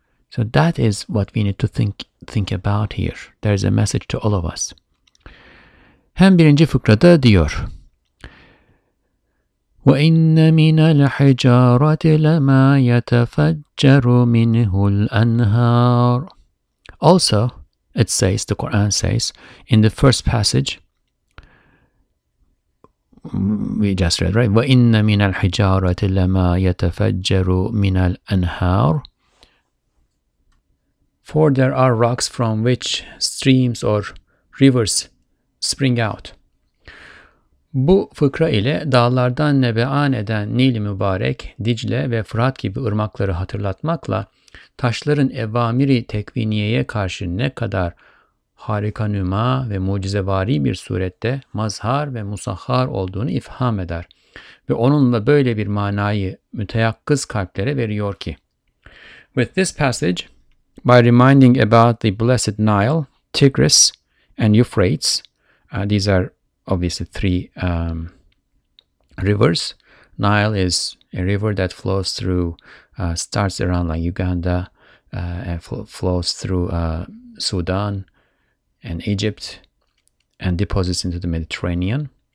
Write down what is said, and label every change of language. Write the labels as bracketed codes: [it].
[en] So that is what we need to think about here. There is a message to all of us. [tr] Hem birinci fıkrada diyor. [ar] وَإِنَّ مِنَ الْحِجَارَةِ لَمَا يَتَفَجَّرُ مِنْهُ الْأَنْهَارُ. [en] Also, it says, the Quran says, in the first passage, we just read, right? [ar] وَإِنَّ مِنَ الْحِجَارَةِ لَمَا يَتَفَجَّرُ مِنَ الْأَنْهَارُ. [en] For there are rocks from which streams or rivers spring out. [tr] Bu fıkra ile dağlardan nebean eden Nil-i Mübarek, Dicle ve Fırat gibi ırmakları hatırlatmakla taşların evamiri tekviniyeye karşı ne kadar harika nüma ve mucizevari bir surette mazhar ve musahhar olduğunu ifham eder. Ve onunla böyle bir manayı müteyakkız kalplere veriyor ki. [en] With this passage, by reminding about the blessed Nile, Tigris and Euphrates, these are obviously three rivers. Nile is a river that flows through, starts around like Uganda, and flows through Sudan and Egypt and deposits into the Mediterranean.